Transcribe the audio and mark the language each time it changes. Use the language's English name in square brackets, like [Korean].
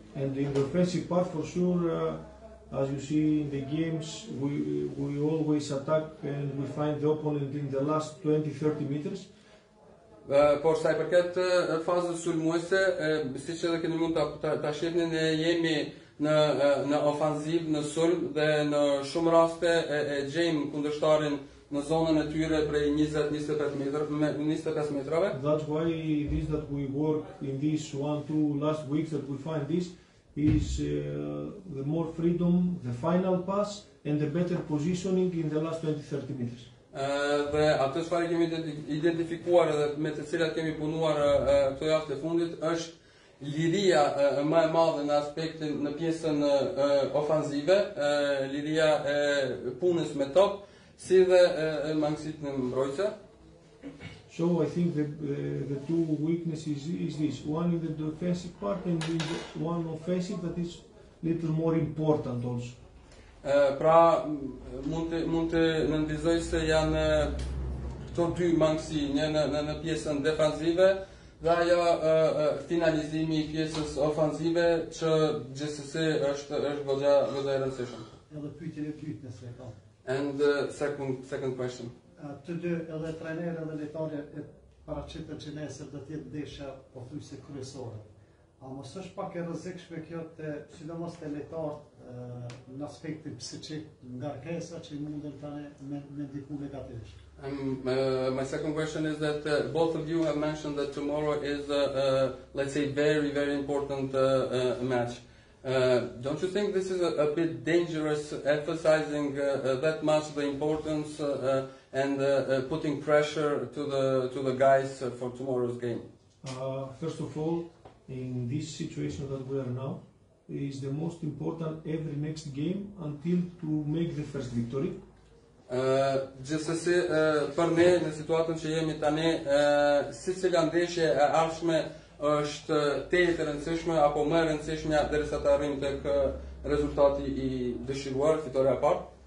[English] And in the offensive part, for sure, as you see in the games, we always attack and we find the opponent in the last 20-30 meters. [Albanian] Por sa i përket fazës sulmuese, siç edhe keni mund ta shihni, ne jemi në ofanziv, në sulm, dhe në shumë raste e gjejmë kundërshtarin në zonën e tyre prej 20-25 metrave. [English] That's why it is that we work in these 1-2 last weeks that we find this is the more freedom, the final pass and the better positioning in the last 20-30 meters. [Albanian] Dhe atë çfarë kemi identifikuar edhe me të cilat kemi punuar këto javë të fundit është liria më e madhe në aspektin në pjesën ofanzive, liria e punës me top, si dhe mangësit në mbrojtëse. [English] So I think the two weaknesses is this, one in the defensive part and one offensive that is little more important also. [Albanian] Pra mund të nëndizoj se janë këto dy mangësi, një në pjesën defensive dhe ajo finalizimi i pjesës ofensive që gjithsesi është goxha e rëndësishme. Edhe pyetjen e dytë nëse e kam. [English] And the second question. [Albanian] Të dy edhe trajnerë edhe lejtarë e paraqitën që nesër do të jetë ndeshja po thuajse kryesore. A mos është pak e rrezikshme kjo të sidomos të lejtarët në aspektin psiqik nga kësa që mundën tani me ndiku negativisht? [English] My second question is that both of you have mentioned that tomorrow is let's say very very important match. Don't you think this is a bit dangerous, emphasizing that much the importance and putting pressure to the guys for tomorrow's game? First of all, in this situation that we are now, is the most important every next game until to make the first victory. [Albanian] Gjithsesi, për ne, në situatën që jemi tani, sicila ndeshje e ardhshme është te e të rëndësishme apo më e rëndësishme derisa të arrim të kë rezultati i dëshiruar, fitore e parë.